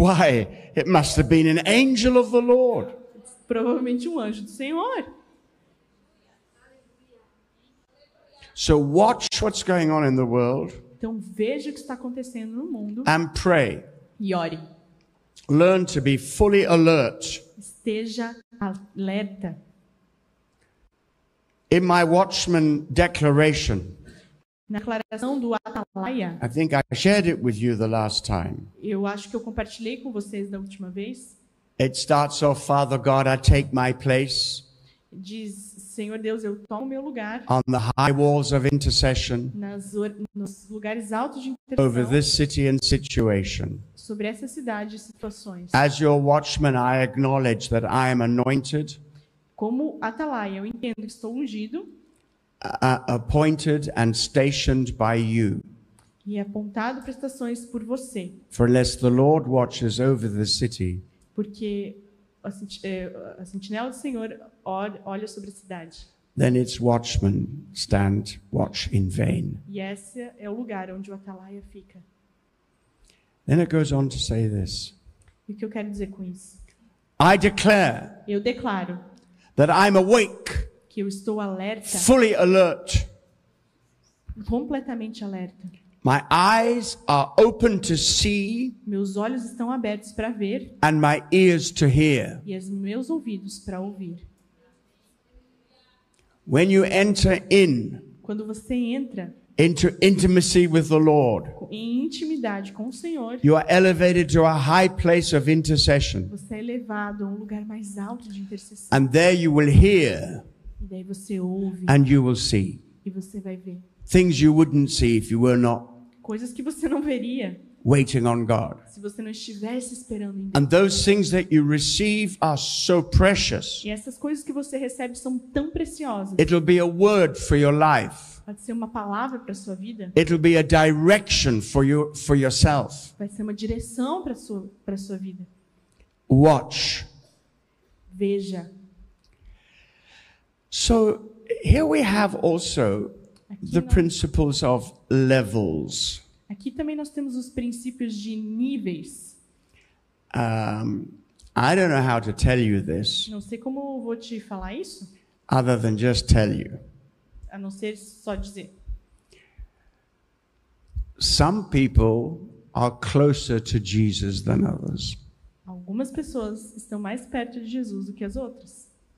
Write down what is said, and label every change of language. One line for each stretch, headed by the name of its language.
English: Why, it must have been an angel of the Lord.
Portuguese: Provavelmente um anjo do Senhor.
English: So watch what's going on in the world.
Portuguese: Então veja o que está acontecendo no mundo.
English: And pray.
Portuguese: E ore.
English: Learn to be fully alert.
Portuguese: Esteja alerta.
English: In my Watchman declaration.
Portuguese: Na declaração do Atalaia.
English: I think I shared it with you the last time.
Portuguese: Eu acho que eu compartilhei com vocês da última vez.
English: It starts off, "Father God, I take my place."
Portuguese: diz: Senhor Deus, eu tomo meu lugar.
English: On the high walls of intercession.
Portuguese: Nos lugares altos de intercessão.
English: Over this city and situation.
Portuguese: Sobre essa cidade e situações.
English: As your watchman, I acknowledge that I am anointed.
Portuguese: Como atalaia, eu entendo que estou ungido.
English: Appointed and stationed by you.
Portuguese: E apontado para estações por você.
English: For unless the Lord watches over the city.
Portuguese: Porque a sentinela do Senhor olha sobre a cidade.
English: Then its watchmen stand watch in vain.
Portuguese: E esse é o lugar onde o atalaia fica.
English: Then it goes on to say this.
Portuguese: E o que eu quero dizer com isso?
English: I declare.
Portuguese: Eu declaro.
English: That I'm awake.
Portuguese: Que eu estou alerta.
English: Fully alert.
Portuguese: Completamente alerta.
English: My eyes are open to see.
Portuguese: Meus olhos estão abertos para ver.
English: And my ears to hear.
Portuguese: E os meus ouvidos para ouvir.
English: When you enter in.
Portuguese: Quando você entra.
English: Into intimacy with the Lord.
Portuguese: Em intimidade com o Senhor.
English: You are elevated to a high place of intercession.
Portuguese: Você é elevado a um lugar mais alto de intercessão.
English: And there you will hear.
Portuguese: E daí você ouve.
English: And you will see.
Portuguese: E você vai ver.
English: Things you wouldn't see if you were not.
Portuguese: Coisas que você não veria.
English: Waiting on God.
Portuguese: Se você não estivesse esperando em Deus.
English: And those things that you receive are so precious.
Portuguese: E essas coisas que você recebe são tão preciosas.
English: It'll be a word for your life.
Portuguese: Pode ser uma palavra para sua vida.
English: It'll be a direction for you, for yourself.
Portuguese: Vai ser uma direção para sua vida.
English: Watch.
Portuguese: Veja.
English: So here we have also. The principles of levels.
Portuguese: Aqui também nós temos os princípios de níveis.
English: I don't know how to tell you this.
Portuguese: Não sei como vou te falar isso.
English: Other than just tell you.
Portuguese: A não ser só dizer.
English: Some people are closer to Jesus than others.
Portuguese: Algumas pessoas estão mais perto de Jesus do que as outras.